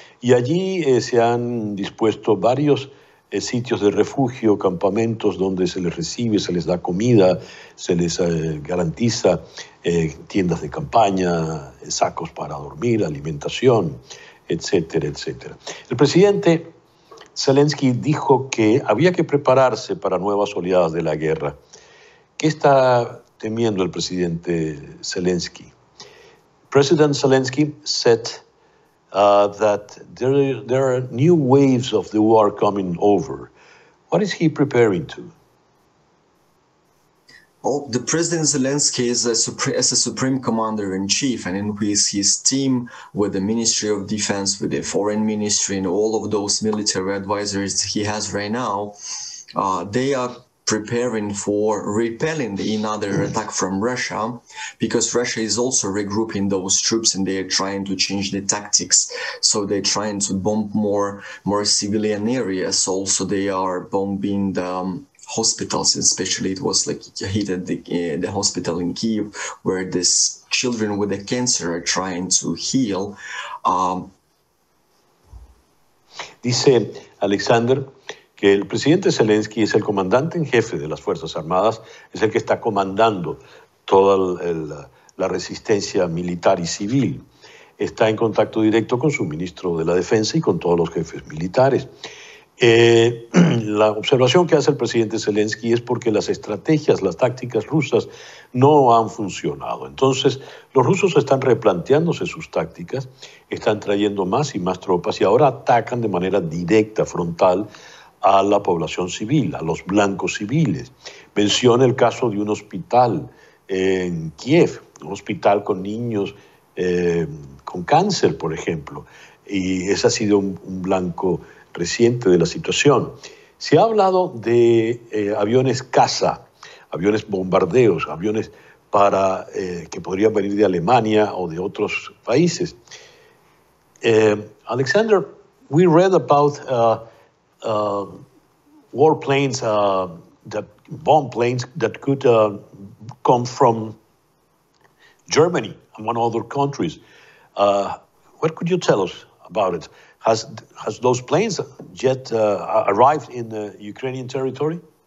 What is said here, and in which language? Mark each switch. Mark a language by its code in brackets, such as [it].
[es] Y allí se han dispuesto varios sitios de refugio, campamentos donde se les recibe, se les da comida, se les garantiza tiendas de campaña, sacos para dormir, alimentación, etcétera, etcétera. El presidente Zelensky dijo que había que prepararse para nuevas oleadas de la guerra. ¿Qué está temiendo el presidente Zelensky? [en] President Zelensky said that there are new waves of the war coming over. What is he preparing to? Well, the President Zelensky is a supreme commander in chief, and with his team, with the Ministry of Defense, with the Foreign Ministry, and all of those military advisors he has right now, they are preparing for repelling another attack from Russia, because Russia is also regrouping those troops and they are trying to change the tactics. So they're trying to bomb more civilian areas. Also, they are bombing the hospitals, especially it was like hit at the hospital in Kiev, where these children with the cancer are trying to heal. [es] Dice Alexander que el presidente Zelensky es el comandante en jefe de las Fuerzas Armadas, es el que está comandando toda la resistencia militar y civil. Está en contacto directo con su ministro de la Defensa y con todos los jefes militares. La observación que hace el presidente Zelensky es porque las estrategias, las tácticas rusas no han funcionado. Entonces, los rusos están replanteándose sus tácticas, están trayendo más y más tropas y ahora atacan de manera directa, frontal, a la población civil, a los blancos civiles. Menciona el caso de un hospital en Kiev, un hospital con niños con cáncer, por ejemplo, y ese ha sido un blanco reciente de la situación. Se ha hablado de aviones caza, aviones bombardeos, aviones para que podrían venir de Alemania o de otros países. [en] Alexander, we read about warplanes, bomb planes that could come from Germany among other countries. What could you tell us about it? Has those planes yet arrived in the Ukrainian territory?